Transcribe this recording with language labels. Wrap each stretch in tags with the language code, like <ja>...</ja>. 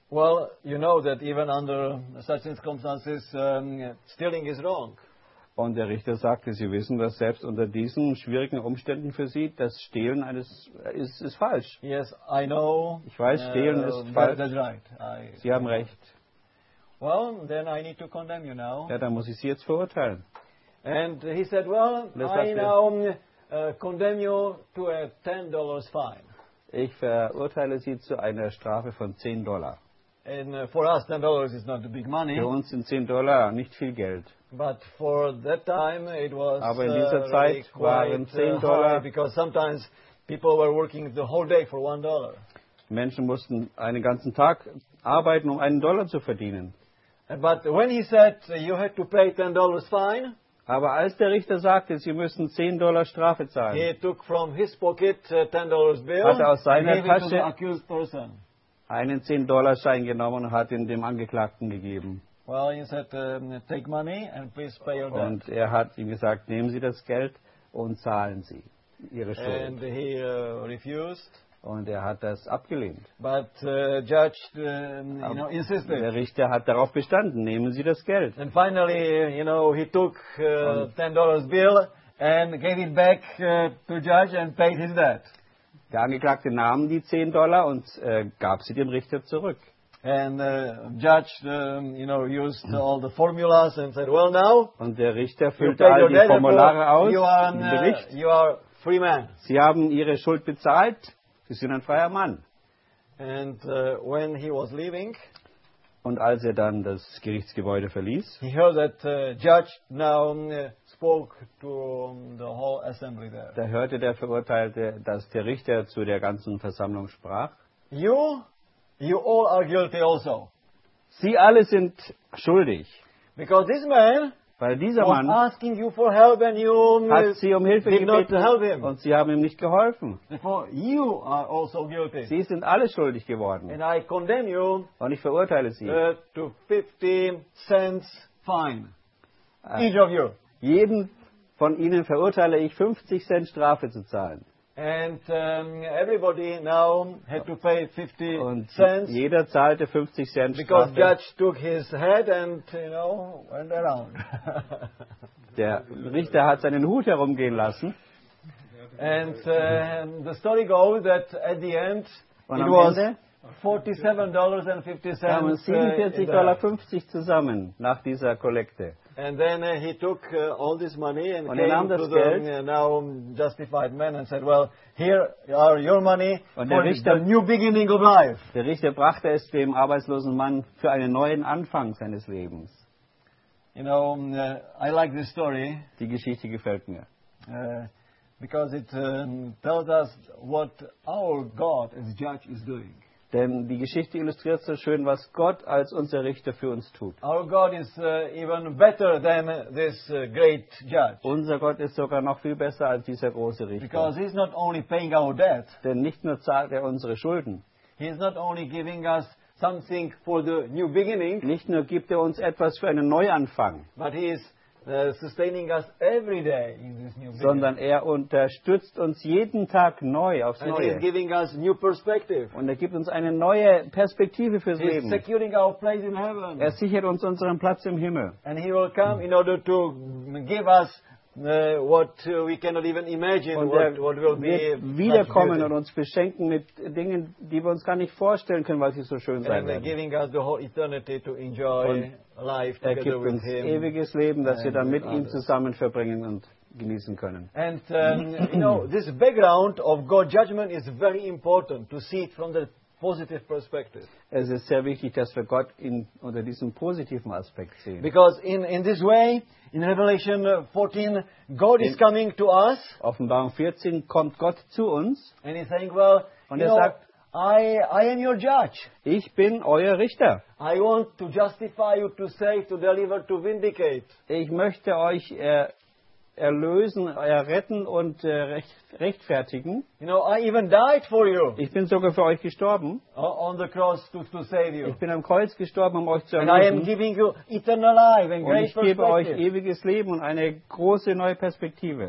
<en>Well, you know that even under such circumstances, stealing is wrong.</en> <de>Und der Richter sagte, Sie wissen, dass selbst unter diesen schwierigen Umständen für Sie das Stehlen ist falsch.</de> <en>Yes, I know.</en> <de>Ich weiß, Stehlen ist falsch.</de> <en>That's right.</en> <de>Sie haben recht.</de> <en>Well, then I need to condemn you now.</en> <de>Ja, dann muss ich Sie jetzt verurteilen.</de> <en>And he said, well, I now condemn you to a $10 fine.</en> <de>Ich verurteile Sie zu einer Strafe von $10.</de> <en>And for us, $10 is not a big money.</en> <de>Für uns sind $10 nicht viel Geld.</de> <en>But for that time, it was</en> <de>aber in dieser Zeit</de> <en>really</en> <de>waren $10</de> <en>high, because sometimes people were working the whole day for $1.</en> <de>Menschen mussten einen ganzen Tag arbeiten, um einen Dollar zu verdienen.</de> <en>But when he said you had to pay $10 fine,</en> <de>aber als der Richter sagte, Sie müssen $10 Strafe zahlen,</de> <en>he took from his pocket $10 bill,</en> <de>hat er aus seiner Tasche</de> <en>accused person</en> <de>einen $10 Schein genommen und hat ihn dem Angeklagten gegeben.</de> <en>Well, he said, take money and please pay your debt.</en> <de>Und er hat ihm gesagt, nehmen Sie das Geld und zahlen Sie Ihre Schuld.</de> <en>And he refused.</en> <de>Und er hat das abgelehnt.</de> <en>But judge, you know, insisted.</en> <de>Der Richter hat darauf bestanden, nehmen Sie das Geld.</de> <en>And finally, you know, he took $10 bill and gave it back to judge and paid his debt.</en> <de>Der Angeklagte nahm die $10 und gab sie dem Richter zurück.</de> <en>And judge, you know, used all the formulas and said, well, now.</en> <de>Und der Richter füllte all die Formulare aus.</de> <en>You are an,</en> <de>Bericht.</de> <en>You are free man.</en> <de>Sie haben ihre Schuld bezahlt. Sie sind ein freier Mann.</de> <en>And when he was leaving,</en> <de>und als er dann das Gerichtsgebäude verließ,</de> <en>he heard that judge now spoke to the whole assembly there.</en> <de>Da hörte der Verurteilte, dass der Richter zu der ganzen Versammlung sprach.</de> <en>You all are guilty also.</en> <de>Sie alle sind schuldig.</de> <en>Because this man,</en> <de>weil dieser Mann</de> <en>asking you for help and you</en> <de>hat sie um Hilfe gebeten</de> <en>help him.</en> <de>Und sie haben ihm nicht geholfen.</de> <en>You are also guilty.</en> <de>Sie sind alle schuldig geworden.</de> <en>And I condemn you,</en> <de>und ich verurteile sie</de> <en>to 15 cents fine. Each of you.</en> <de>Jeden von ihnen verurteile ich 50 Cent Strafe zu zahlen.</de> <en>And everybody now had to pay 50</en> <de>und</de> <en>cents.</en> <de>Jeder zahlte 50 Cent.</de> <en>Because judge took his head and, you know, went around.</en> <de>Der Richter hat seinen Hut herumgehen lassen.</de> <en>And the story goes that at the end</en> <de>und</de> <en>it was $47.50.</en> <de>Haben $47.50 zusammen nach dieser Kollekte.</de> <en>And then he took all this money and</en> <de>und</de> <en>came to the now justified man and said, well, here are your money</en> <de>und</de> <en>for</en> <de>Richter,</de> <en>the new beginning of life.</en> <de>Der Richter brachte es dem arbeitslosen Mann für einen neuen Anfang seines Lebens.</de> <en>You know, I like this story.</en> <de>Die Geschichte gefällt mir.</de> <en>Because it tells us what our God as judge is doing.</en> <de>Denn die Geschichte illustriert so schön, was Gott als unser Richter für uns tut.</de> <en>Our God is even better than this great judge.</en> <de>Unser Gott ist sogar noch viel besser als dieser große Richter.</de> <en>Because he's not only paying our debt.</en> <de>Denn nicht nur zahlt er unsere Schulden.</de> <en>He is not only giving us something for the new beginning.</en> <de>Nicht nur gibt er uns etwas für einen Neuanfang.</de> <en>But he is sustaining us every day in this new</en> <de>sondern er unterstützt uns jeden Tag neu aufs</de> <en>and</en> <de>Neue.</de> <en>He is giving us new perspective.</en> <de>Und er gibt uns eine neue Perspektive fürs</de> <en>he</en> <de>Leben.</de> <en>Is securing our place in heaven.</en> <de>Er sichert uns unseren Platz im Himmel.</de> <en>And he will come in order to give us what we cannot even imagine</en> <de>und</de> <en>what will be</en> <de>wiederkommen und uns beschenken mit Dingen, die wir uns gar nicht vorstellen können, weil sie so schön</de> <en>and</en> <de>sein</de> <en>and</en> <de>werden.</de> <en>Giving us the whole eternity to enjoy</en> <de>und</de> <en>life</en> <de>er gibt</de> <en>with</en> <de>uns</de> <en>him</en> <de>ewiges Leben, das wir dann mit ihm zusammen verbringen und genießen können.</de> <en>And you know, this background of God's judgment is very important to see it from the positive perspective.</en> <de>Es ist sehr wichtig, dass wir Gott in unter diesem positiven Aspekt sehen.</de> <en>Because in this way, in Revelation 14, God is coming to us.</en> <de>Offenbarung 14 kommt Gott zu uns.</de> <en>And he's saying, well,</en> <de>und</de> <en>you</en> <de>er</de> <en>know,</en> <de>sagt,</de> <en>I am your judge.</en> <de>Ich bin euer Richter.</de> <en>I want to justify you, to save, to deliver, to vindicate.</en> <de>Ich möchte euch erlösen, erretten und rechtfertigen.</de> <en>You know, I even died for you.</en> <de>Ich bin sogar für euch gestorben.</de> <en>On the cross to save you.</en> <de>Ich bin am Kreuz gestorben, um euch zu erlösen.</de> <en>And I am giving you eternal life and great</en> <de>und ich gebe euch ewiges Leben und eine große neue Perspektive.</de>